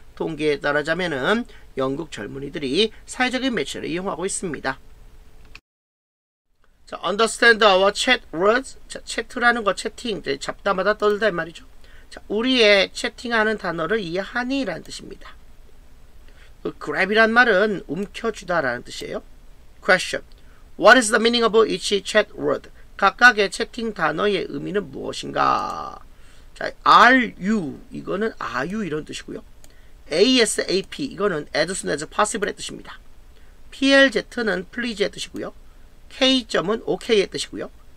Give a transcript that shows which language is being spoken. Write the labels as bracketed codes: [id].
[ko] 통계에 따르자면은 영국 젊은이들이 사회적인 매체를 이용하고 있습니다. [en] 자, understand our chat words. [ko] 자, 채트라는 거 채팅, 이제 잡담하다 떨다 이 말이죠. 자, 우리의 채팅하는 단어를 이해하니라는 뜻입니다. 그 grab이란 말은 움켜쥐다라는 뜻이에요. Question. [en] What is the meaning of each chat word? [ko] 각각의 채팅 단어의 의미는 무엇인가? [en] 자, are you 이거는 are you 이런 뜻이고요. ASAP 이거는 as soon as possible의 뜻입니다. [ko] PLZ는 please의 뜻이고요. K점은 OK의 뜻이고요.